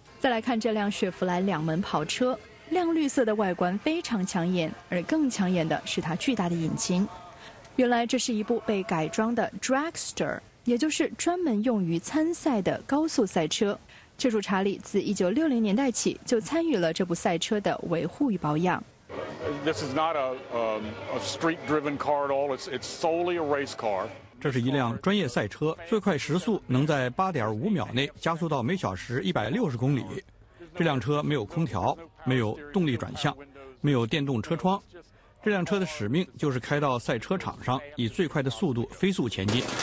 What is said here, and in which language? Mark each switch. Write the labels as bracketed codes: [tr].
[zh] 再来看这辆雪佛莱两门跑车，亮绿色的外观非常抢眼，而更抢眼的是它巨大的引擎。原来这是一部被改装的 dragster， 也就是专门用于参赛的高速赛车。车主查理自1960年代起就参与了这部赛车的维护与保养。 [en] This is not a street-driven car at all. It's solely a race car. [zh] 这是一辆专业赛车，最快时速能在8.5秒内加速到每小时160公里。这辆车没有空调，没有动力转向，没有电动车窗。这辆车的使命就是开到赛车场上，以最快的速度飞速前进。